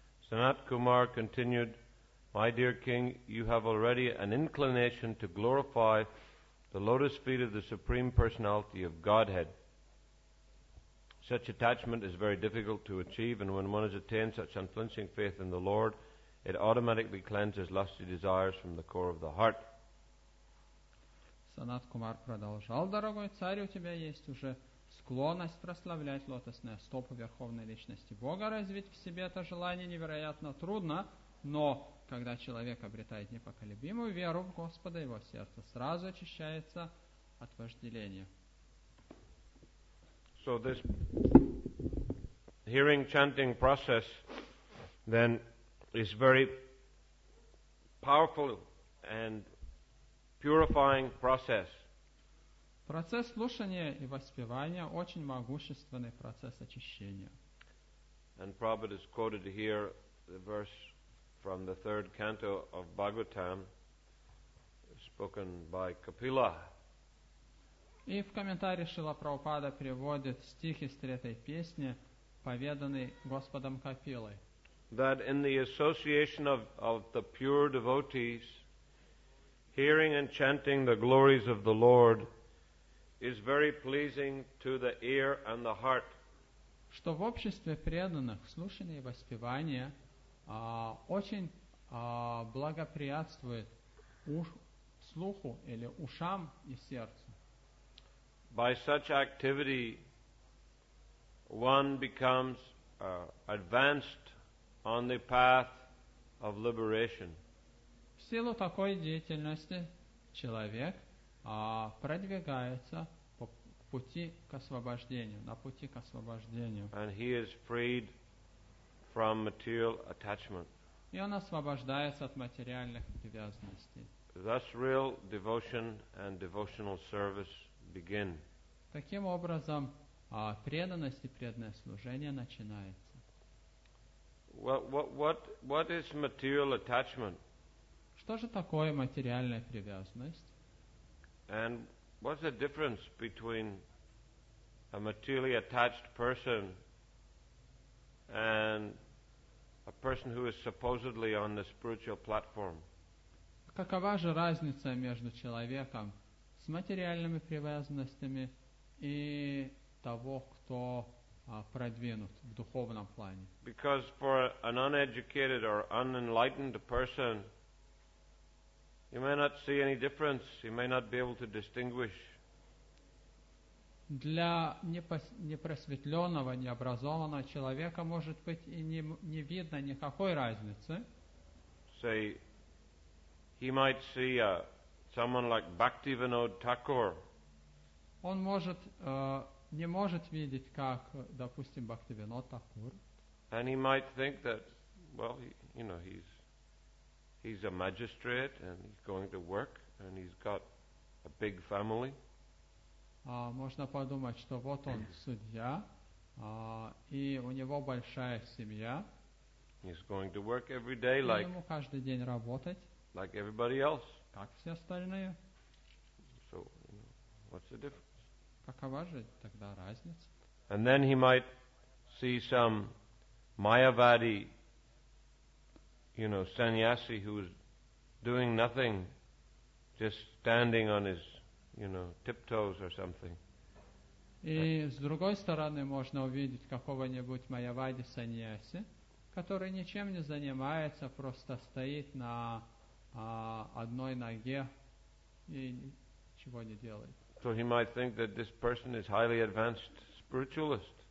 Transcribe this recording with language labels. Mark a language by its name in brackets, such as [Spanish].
[English] Sanat Kumar continued, "My dear king, you have already an inclination to glorify the lotus feet of the Supreme Personality of Godhead. Such attachment is very difficult to achieve, and when one has attained such unflinching faith in the Lord, it automatically cleanses lusty desires from the core of the heart." [Russian] Sanat Kumar продолжал, "Дорогой царь, у тебя есть уже склонность прославлять лотосные стопы Верховной Личности Бога. Развить в себе это желание невероятно трудно, но когда человек обретает непоколебимую веру в Господа, его сердце сразу очищается от вожделения." [English] So this hearing chanting process then is very powerful and purifying process. [Russian] Процесс слушания и воспевания – очень могущественный процесс очищения. [English] And Prabhupada has quoted here the verse from the third canto of Bhagavatam, spoken by Kapila. [Russian] И в комментарии Шрила Прабхупада приводит стих из третьей песни, поведанный Господом Капилой. [English] That in the association of the pure devotees, hearing and chanting the glories of the Lord is very pleasing to the ear and the heart. [Russian] Что в обществе преданных слушание и воспевание очень благоприятствует слуху или ушам и сердцу. [English] By such activity, one becomes advanced on the path of liberation. [Russian] В силу такой деятельности человек продвигается пути к освобождению, на пути к освобождению. [English] And he is freed from material attachment. [Russian] И он освобождается от материальных привязанностей. [English] Thus real devotion and devotional service begin. [Russian] Таким образом, преданность и преданное служение начинается. [English] What is material attachment? [Russian] Что же такое материальная привязанность? [English] And what's the difference between a materially attached person and a person who is supposedly on the spiritual platform? [Russian] Какова же разница между человеком с материальными привязанностями и того, кто продвинут в духовном плане? [English] Because for an uneducated or unenlightened person, you may not see any difference. You may not be able to distinguish. [Russian] Для непросветленного, необразованного человека может быть и не видно никакой разницы. [English] Say, he might see someone like Bhaktivinod Thakur. [Russian] Он может не может видеть, как, допустим, Бхактивинод Такур. [English] And he might think that, well, he's a magistrate and he's going to work and he's got a big family. [Russian] Можно подумать, что вот он судья, и у него большая семья. [English] He's going to work every day like, [Russian] ему каждый день работать, [English] like everybody else. [Russian] Как все остальные. [English] So, what's the difference? [Russian] Какова же тогда разница? [English] And then he might see some Mayavadi, sannyasi who is doing nothing, just standing on his tiptoes or something. [Russian] И с другой стороны можно увидеть какого-нибудь майявади саньяси, который ничем не занимается, просто стоит на одной ноге и ничего не делает. [English] So he might think that this person is highly advanced spiritualist.